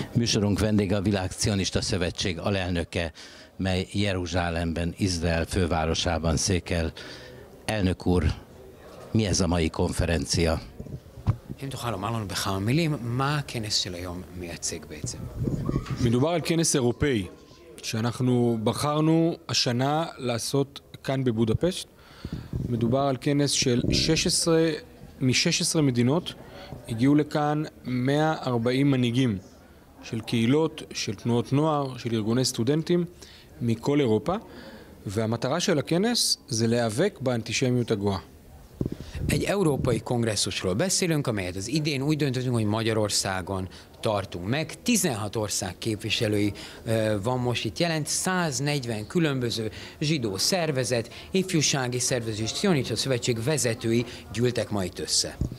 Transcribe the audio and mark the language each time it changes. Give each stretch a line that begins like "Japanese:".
Hungarian: Műsorunk vendége a Világ Zionista Szövetség alelnöke, mely Jeruzsálemben, Izrael fővárosában székel. Elnök úr, mi ez a mai konferencia?
Hebrew: אם תוכל לומר לנו בכמה מילים, מה הכנס של היום מייצג בעצם? מדובר על כנס אירופאי שאנחנו בחרנו השנה לעשות כאן בבודפשט. מדובר על כנס של 16 מדינות, הגיעו לכאן 140 מנהיגים של קהילות, של תנועות נוער, של ארגוני סטודנטים מכל אירופה, והמטרה של הכנס זה להיאבק באנטישמיות הגואה.
Hungarian: Egy európai kongresszusról beszélünk, amelyet az idén úgy döntöttünk, hogy Magyarországon tartunk meg. 16 ország képviselői van most itt jelent, 140 különböző zsidó szervezet, ifjúsági szervezet, Zionista Szövetség vezetői gyűltek ma itt össze.